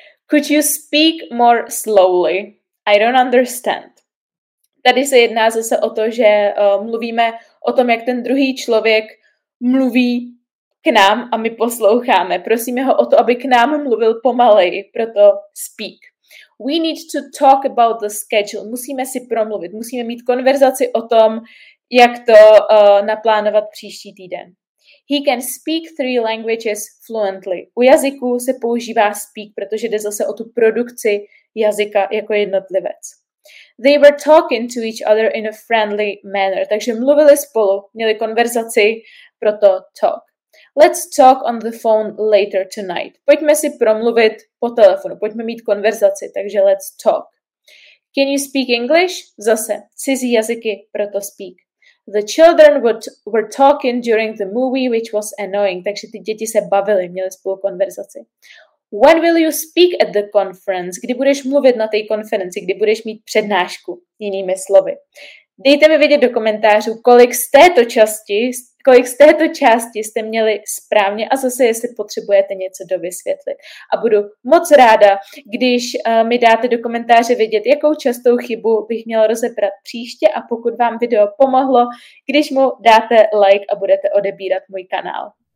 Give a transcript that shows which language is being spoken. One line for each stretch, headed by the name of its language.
English: Could you speak more slowly? I don't understand.
Czech: Tady se jedná zase o to, že mluvíme o tom, jak ten druhý člověk mluví k nám a my posloucháme. Prosíme ho o to, aby k nám mluvil pomaleji, proto speak.
English: We need to talk about the schedule.
Czech: Musíme si promluvit, musíme mít konverzaci o tom, jak to naplánovat příští týden.
English: He can speak 3 languages fluently.
Czech: U jazyků se používá speak, protože jde zase o tu produkci jazyka jako jednotlivec.
English: They were talking to each other in a friendly manner.
Czech: Takže mluvili spolu, měli konverzaci, proto talk.
English: Let's talk on the phone later tonight.
Czech: Pojďme si promluvit po telefonu, pojďme mít konverzaci, takže
English: let's talk. Can you speak English?
Czech: Zase cizí jazyky, proto speak.
English: The children were talking during the movie, which was annoying.
Czech: Takže ty děti se bavily, měly spolu konverzaci.
English: When will you speak at the conference?
Czech: Kdy budeš mluvit na té konferenci, kdy budeš mít přednášku, jinými slovy. Dejte mi vědět do komentářů, kolik z této části jste měli správně a zase, jestli potřebujete něco dovysvětlit. A budu moc ráda, když mi dáte do komentáře vědět, jakou častou chybu bych měla rozebrat příště a pokud vám video pomohlo, když mu dáte like a budete odebírat můj kanál.